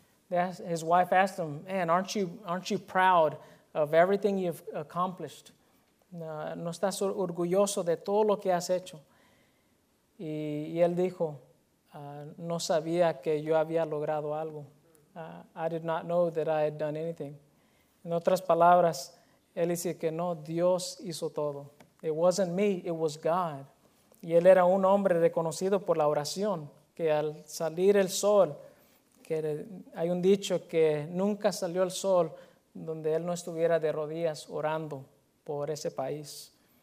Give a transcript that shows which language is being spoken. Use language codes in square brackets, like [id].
[en] His wife asked him, man, aren't you proud of everything you've accomplished? [es] No estás orgulloso de todo lo que has hecho. Y él dijo, no sabía que yo había logrado algo. [en] I did not know that I had done anything. [es] En otras palabras, él dice que no, Dios hizo todo. [en] It wasn't me, it was God. [es] Y él era un hombre reconocido por la oración, que al salir el sol, que hay un dicho que nunca salió el sol donde él no estuviera de rodillas orando por ese país.